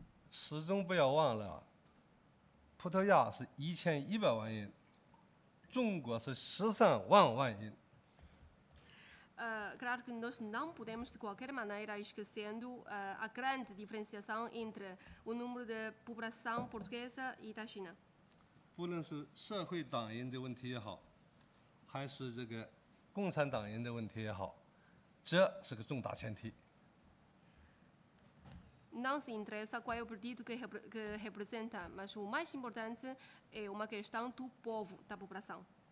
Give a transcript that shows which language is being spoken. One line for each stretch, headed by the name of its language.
Portuguese: Sempre não esqueça, Portugal é 1100 milhões de
Chinese: 中国是十三万万人。
Portuguese: Claro que nós não podemos de qualquer maneira esquecendo a grande diferenciação entre o número da população portuguesa e da China.
Chinese: 不论是社会党员的问题也好，还是这个共产党员的问题也好，这是个重大前提。
Portuguese: Não se interessa qual é o partido que representa, mas o mais importante é uma questão do povo, da população.